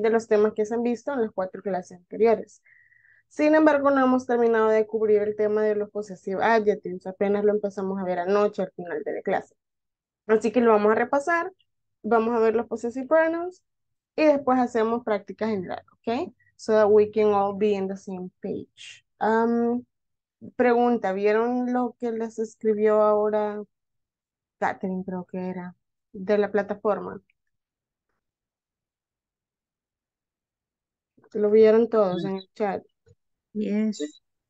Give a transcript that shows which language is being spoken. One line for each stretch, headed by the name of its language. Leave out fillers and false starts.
Spanish: De los temas que se han visto en las cuatro clases anteriores. Sin embargo, no hemos terminado de cubrir el tema de los possessive adjectives, apenas lo empezamos a ver anoche al final de la clase. Así que lo vamos a repasar, vamos a ver los possessive pronouns y después hacemos práctica general, ¿ok?
English: So that we can all be in the same page.
Spanish: Pregunta, ¿vieron lo que les escribió ahora Catherine, creo que era, de la plataforma? Lo vieron todos en el chat.
English: Yes.